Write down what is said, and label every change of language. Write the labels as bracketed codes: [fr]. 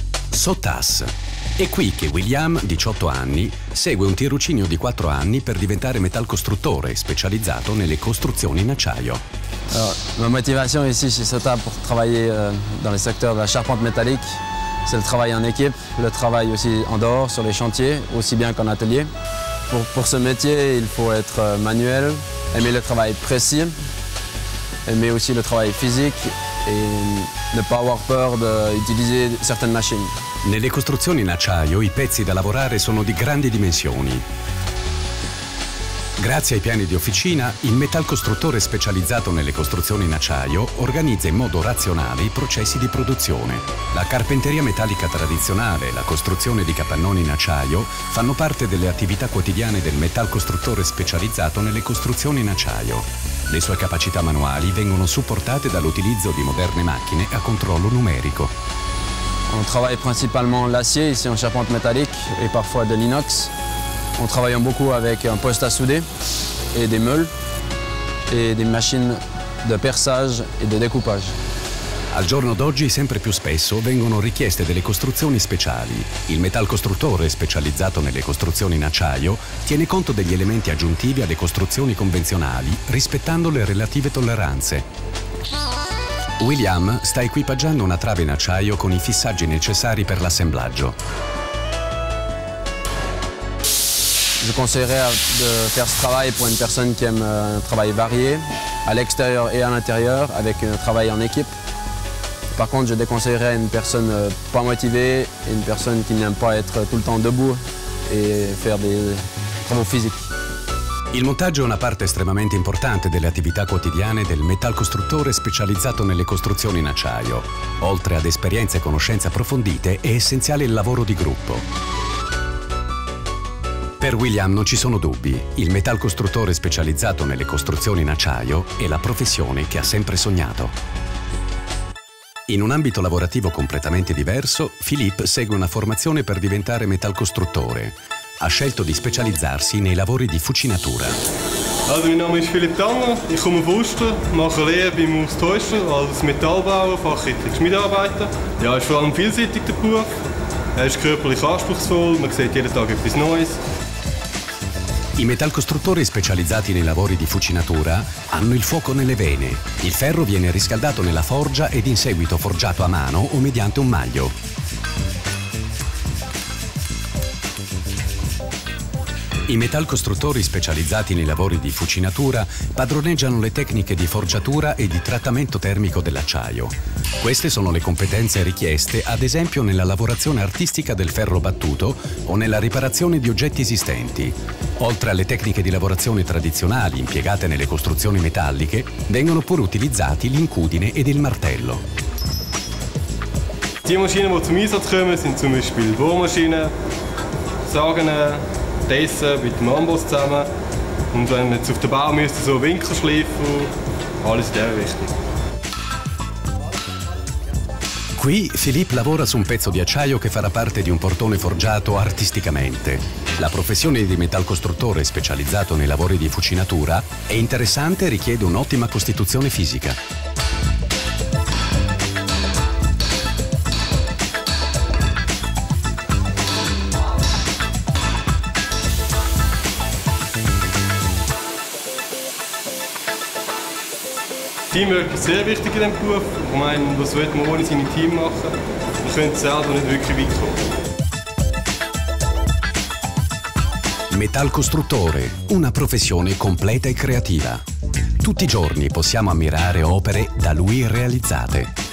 [it] Sottas. È qui che William, 18 anni, segue un tirocinio di 4 anni per diventare metal costruttore specializzato nelle costruzioni in acciaio. Ma motivazione [fr] ici chez [it] Sottas per lavorare nel settore della charpente métallique. [fr] C'est le travail en équipe, le travail aussi en dehors, sur les chantiers, aussi bien qu'en atelier. Pour ce métier, il faut être manuel, aimer le travail précis, aimer aussi le travail physique et ne pas avoir peur d'utiliser certaines machines. [it] Nelle costruzioni in acciaio, i pezzi da lavorare sono di grandi dimensioni. Grazie ai piani di officina, il metal costruttore specializzato nelle costruzioni in acciaio organizza in modo razionale i processi di produzione. La carpenteria metallica tradizionale e la costruzione di capannoni in acciaio fanno parte delle attività quotidiane del metal costruttore specializzato nelle costruzioni in acciaio. Le sue capacità manuali vengono supportate dall'utilizzo di moderne macchine a controllo numerico. [fr] On travaille principalement l'acier ici en charpente métallique et parfois de l'inox. En travaillant beaucoup avec un poste à souder et des meules et des machines de perçage et de découpage. [it] Al giorno d'oggi sempre più spesso vengono richieste delle costruzioni speciali. Il metal costruttore specializzato nelle costruzioni in acciaio tiene conto degli elementi aggiuntivi alle costruzioni convenzionali rispettando le relative tolleranze. William sta equipaggiando una trave in acciaio con i fissaggi necessari per l'assemblaggio. [fr] Je conseillerais de faire ce travail pour une personne qui aime un travail varié, à l'extérieur et à l'intérieur, avec un travail en équipe. Par contre, je déconseillerais à une personne pas motivée et une personne qui n'aime pas être tout le temps debout et faire des travaux physiques. [it] Il montaggio è una parte estremamente importante delle attività quotidiane del metalcostruttore specializzato nelle costruzioni in acciaio. Oltre ad esperienze e conoscenze approfondite, è essenziale il lavoro di gruppo. Per William non ci sono dubbi, il metalcostruttore specializzato nelle costruzioni in acciaio è la professione che ha sempre sognato. In un ambito lavorativo completamente diverso, Philippe segue una formazione per diventare metalcostruttore. Ha scelto di specializzarsi nei lavori di fucinatura. [de] Also, mein Name ist Philipp Tanner, ich komme von Uster, mache Lehre beim Urs Teuscher als Metallbauer, Fachkräftiger Schmiedarbeiter. Ja, ist vor allem vielseitig der Beruf. Er ist körperlich anspruchsvoll, man sieht jeden Tag etwas Neues. [it] I metalcostruttori specializzati nei lavori di fucinatura hanno il fuoco nelle vene. Il ferro viene riscaldato nella forgia ed in seguito forgiato a mano o mediante un maglio. I metalcostruttori specializzati nei lavori di fucinatura padroneggiano le tecniche di forgiatura e di trattamento termico dell'acciaio. Queste sono le competenze richieste, ad esempio, nella lavorazione artistica del ferro battuto o nella riparazione di oggetti esistenti. Oltre alle tecniche di lavorazione tradizionali impiegate nelle costruzioni metalliche, vengono pure utilizzati l'incudine ed il martello. [de] Die Maschinen, die zum Einsatz kommen, sind zum Beispiel Bohrmaschinen, Sagen, Tessen mit dem Amboss zusammen. Und wenn man jetzt auf den Bau müsste, so Winkelschleifen, alles in der Richtung. [it] Qui Philippe lavora su un pezzo di acciaio che farà parte di un portone forgiato artisticamente. La professione di metalcostruttore specializzato nei lavori di fucinatura è interessante e richiede un'ottima costituzione fisica. [de] Teamwork ist sehr wichtig in diesem Beruf. Ich meine, was will man ohne sein Team machen? Man könnte selber nicht wirklich weit kommen. [it] Metalcostruttore, una professione completa e creativa. Tutti i giorni possiamo ammirare opere da lui realizzate.